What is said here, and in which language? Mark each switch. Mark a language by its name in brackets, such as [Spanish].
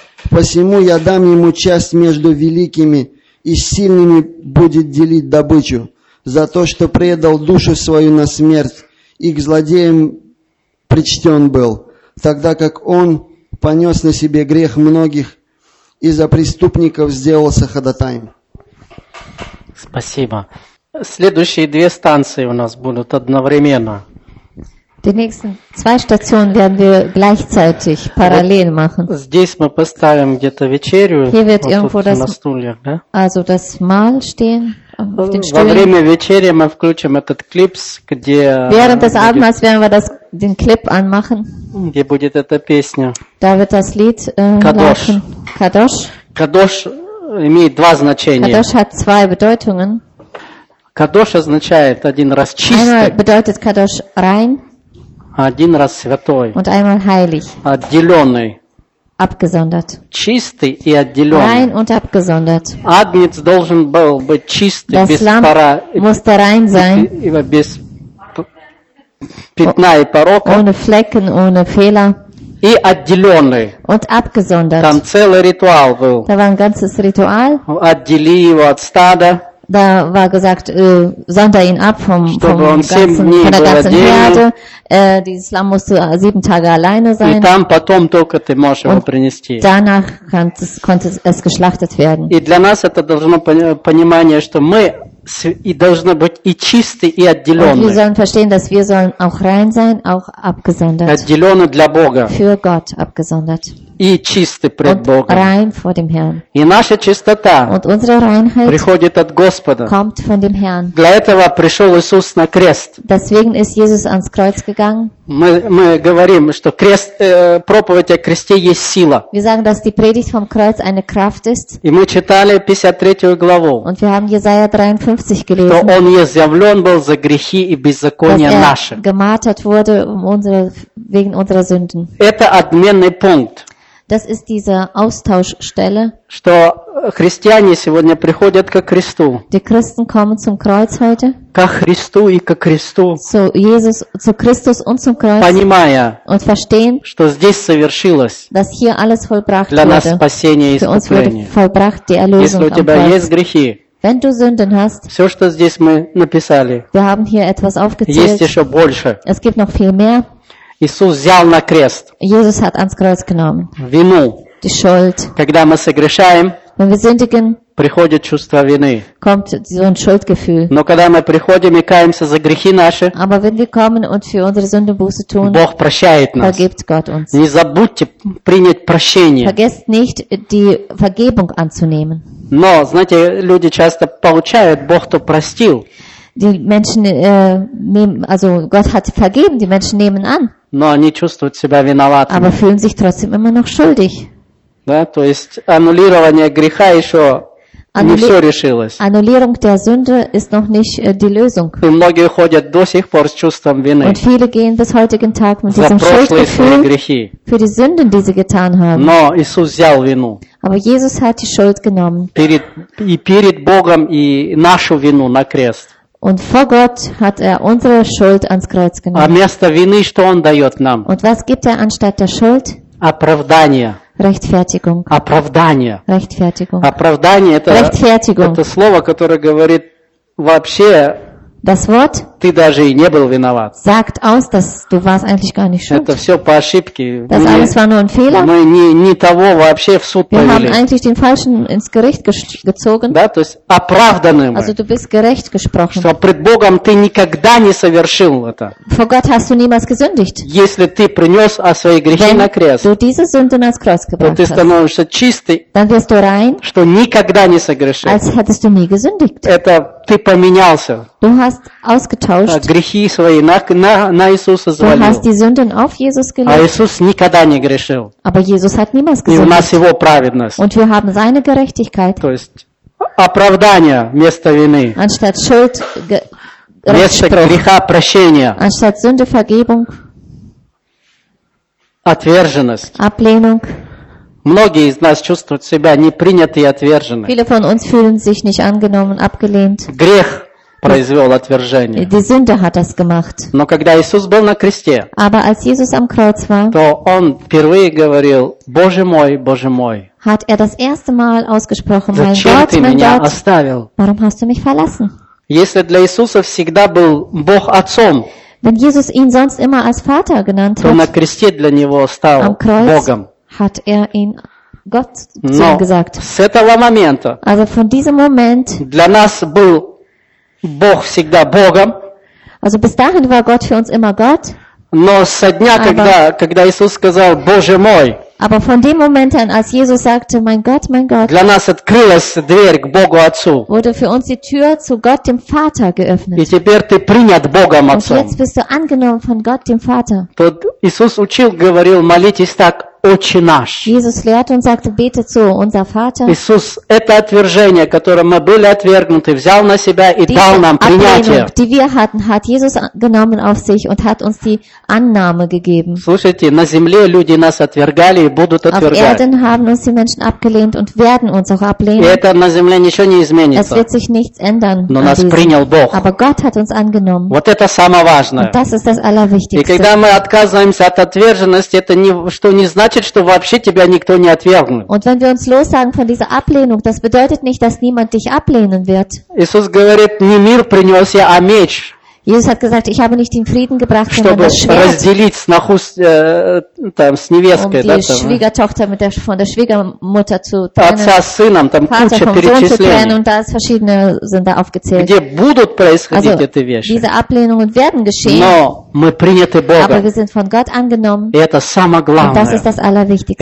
[Russian] Посему я дам ему часть между великими, и с сильными будет делить добычу, за то, что предал душу свою на смерть, и к злодеям причтен был, тогда как он понес на себе грех многих, и за преступников сделался ходатаем. Спасибо. Следующие две станции у нас будут одновременно. [German] Die nächsten zwei Stationen werden wir gleichzeitig parallel machen. [Russian] Здесь мы поставим где-то вечерю. [German] Hier wird irgendwo [Russian] вот [German] das, [Russian] на стульях, да? [German] Also das Mahl stehen auf den Stühlen. [Russian] Во время вечери мы включим этот клип, где [German] während des Abendmahls werden wir das den Clip anmachen. [Russian] Где будет эта песня? [German] Da wird das Lied Kadosh. Kadosh. [Russian] Kadosh имеет два значения. [German] Kadosh hat zwei Bedeutungen. [Russian] Kadosh означает один раз чистый. [German] Einmal bedeutet Kadosh rein. [Russian] Один раз святой. [German] Und einmal heilig. [Russian] Отделенный. [German] Abgesondert. [Russian] Чистый и отделенный. [German] Rein und abgesondert. [Russian] Агнец должен был быть чистый, [German] das [Russian] без [German] Lamm [Russian] пара. [German] Musste rein sein. [Russian] Без пятна и порока. [German] Ohne Flecken, ohne Fehler. [Russian] И отделенный. [German] Und abgesondert. [Russian] Там целый ритуал был. [German] Da war ein ganzes Ritual. [Russian] Отдели его от стада. [German] Da war gesagt, sonder ihn ab vom ganzen, von der ganzen Herde. Dieses Lamm musste sieben Tage alleine sein. Und danach konnte es geschlachtet werden. [Russian] И для нас это должно понимание, что мы и должны быть и чисты, и отделенные. [German] Und wir sollen verstehen, dass wir sollen auch rein sein, auch abgesondert. [Russian] Отделенные для Бога. [German] Für Gott abgesondert. [Russian] и чисты пред Богом. [German] Rein vor dem Herrn. [Russian] И наша чистота приходит от Господа. [German] Kommt von dem Herrn. [Russian] Для этого пришел Иисус на крест. [German] Deswegen ist Jesus ans Kreuz gegangen. [Russian] Мы говорим, что крест, проповедь о кресте есть сила. [German] Wir sagen, dass die Predigt vom Kreuz eine Kraft ist. [Russian] И мы читали 53 главу. [German] Und wir haben Jesaja 53 gelesen. [Russian] Что он изъявлен был за грехи и беззакония наши. [German] Dass er gemartert wurde wegen unserer Sünden. [Russian] Это обменный пункт. [German] Das ist diese Austauschstelle. [Russian] Что христиане сегодня приходят ко кресту. [German] Die Christen kommen zum Kreuz heute. [Russian] Ко Христу и ко кресту. [German] Zu Jesus, zu Christus und zum Kreuz. [Russian] Понимая. [German] Und verstehen. [Russian] Что здесь совершилось. [German] Dass hier alles vollbracht [Russian] для [German] wurde. [Russian] Для нас спасение и искупление. [German] Für uns wurde vollbracht die Erlösung. [Russian] Если у тебя есть грехи. [German] Wenn du Sünden hast. [Russian] Все, что здесь мы написали. [German] Wir haben hier etwas aufgezählt. [Russian] Есть еще больше. [German] Es gibt noch viel mehr. [Russian] Иисус взял на крест. [German] Jesus hat ans Kreuz genommen. [Russian] Вину. [German] Die Schuld. [Russian] Когда мы согрешаем, [German] wenn wir sündigen, [Russian] приходит чувство вины. [German] Kommt so ein Schuldgefühl. [Russian] Но когда мы приходим и каемся за грехи наши, [German] aber wenn wir kommen und für unsere Sünden Buße tun, [Russian] Бог прощает нас. [German] Vergibt Gott uns. [Russian] Не забудьте принять прощение. [German] Vergesst nicht, die Vergebung anzunehmen. [Russian] Но, знаете, люди часто получают, Бог то простил. [German] Die Menschen nehmen, also Gott hat vergeben, die Menschen nehmen an. [Russian] Но они чувствуют себя виноватыми. [German] Aber fühlen sich trotzdem immer noch schuldig. [Russian] Да, то есть аннулирование греха еще не все решилось. [German] Аннулирование der Sünde ist noch nicht die Lösung. [Russian] И многие ходят до сих пор с чувством вины. [German] Und viele gehen bis heutigen Tag mit diesem Schuldgefühl für die Sünden, die sie getan haben. [Russian] Но Иисус взял вину. [German] Aber Jesus hat die Schuld genommen. [Russian] Перед Богом и нашу вину на крест. [German] Und vor Gott hat er unsere Schuld ans Kreuz genommen. [Russian] А вместо вины, что он дает нам? [German] Und was gibt er anstatt der Schuld? [Russian] Оправдание. [German] Rechtfertigung. [Russian] Оправдание. [German] Rechtfertigung. [Russian] Оправдание это, [German] Rechtfertigung. [Russian] Это слово, которое говорит вообще. [German] Das Wort. [Russian] Ты даже и не был виноват. [German] Sagt aus, dass du warst eigentlich gar nicht schuld. [Russian] Это все по ошибке. [German] Das alles war nur ein Fehler. [Russian] Мы не того вообще в суд повели. [German] Wir haben eigentlich den falschen ins Gericht gezogen. [Russian] Да, то есть оправданы мы. [German] Also du bist gerecht gesprochen. [Russian] Что пред Богом ты никогда не совершил это. [German] Vor Gott hast du niemals gesündigt. [Russian] Если ты принес о свои грехи [German] wenn [Russian] на крест. [German] Wenn du diese Sünden ans Kreuz gebracht hast. [Russian] То ты становишься чистый. [German] Dann wirst du rein. [Russian] Что никогда не согрешил. [German] Als hättest du nie gesündigt. [Russian] Это ты поменялся. [German] Du hast ausgetauscht. [Russian] Грехи свои на Иисуса завалил. [German] Du hast die Sünden auf Jesus gelegt. [Russian] А Иисус никогда не грешил. [German] Aber Jesus hat niemals gesündigt. [Russian] И у нас его праведность. [German] Und wir haben seine Gerechtigkeit. [Russian] То есть оправдание вместо вины. [German] Anstatt Schuld, [Russian] вместо греха прощения. [German] Anstatt Sünde Vergebung. [Russian] Отверженность. [German] Ablehnung. [Russian] Многие из нас чувствуют себя непринятыми и отверженными. [German] Viele von uns fühlen sich nicht angenommen, abgelehnt. [Russian] Грех произвел отвержение. [German] Die Sünde hat das gemacht. [Russian] Но когда Иисус был на кресте, [German] aber als Jesus am Kreuz war, [Russian] то Он впервые говорил: «Боже мой, Боже мой». [German] Hat er das erste Mal ausgesprochen: «Mein [Russian] Зачем [German] Gott, [Russian] ты [German] mein [Russian] меня [German] Gott, [Russian] оставил?» [German] Warum hast du mich verlassen? [Russian] Если для Иисуса всегда был Бог Отцом, [German] wenn Jesus ihn sonst immer als Vater genannt [Russian] то [German] hat, [Russian] на кресте для него стал [German] am Kreuz [Russian] Богом. [German] Hat er ihn Gott zu ihm gesagt. [Russian] С этого момента, [German] also von diesem Moment, [Russian] для нас был Бог всегда Богом. [German] Also bis dahin war Gott für uns immer Gott. [Russian] Но со дня, aber, когда Иисус сказал: «Боже мой», [German] aber von dem Moment an, als Jesus sagte: «Mein Gott, mein Gott», [Russian] для нас открылась дверь к Богу Отцу. [German] Wurde für uns die Tür zu Gott dem Vater geöffnet. [Russian] И теперь ты принят Богом Отцом. [German] Und jetzt bist du angenommen von Gott dem Vater. [Russian] Тот Иисус учил, говорил: «Молитесь так: Отче наш». [German] Jesus lehrt und sagte: «Bete zu, unser Vater». [Russian] Иисус это отвержение, которое мы были отвергнуты, взял на себя и [German] diese [Russian] дал нам принятие. [German] Ablehnung, die wir hatten, hat Jesus genommen auf sich und hat uns die Annahme gegeben. [Russian] Слушайте, на земле люди нас отвергали и будут отвергать. [German] Auf Erden haben uns die Menschen abgelehnt und werden uns auch ablehnen. [Russian] И это на земле ничего не изменится. [German] Es wird sich nichts ändern. [Russian] Но нас принял Бог. [German] Aber Gott hat uns angenommen. [Russian] Вот это самое важное. [German] Und das ist das Allerwichtigste. [Russian] И когда мы отказываемся от отверженности, это не, что не значит, что вообще тебя никто не отвергнет. [German] Und wenn wir uns lossagen von dieser Ablehnung, das bedeutet nicht, dass niemand dich ablehnen wird. [Russian] Иисус говорит: «Не мир принес я, а меч». [German] Jesus hat gesagt: «Ich habe nicht den Frieden gebracht, [Russian] чтобы [German] sondern das Schwert». [Russian] Чтобы разделить сноху там с невесткой, [German] um [Russian] да, [German] die Schwiegertochter mit der, von der Schwiegermutter zu trennen. [Russian] Отца с сыном, там [German] Vater [Russian] куча перечислений. [German] Und da verschiedene sind da aufgezählt. [Russian] Где будут происходить [German] also, [Russian] эти вещи? [German] Diese Ablehnungen werden geschehen. [Russian] Но Мы приняты Богом. [German] Aber wir sind von Gott angenommen. [Russian] И это самое главное. [German] Das ist das Allerwichtigste.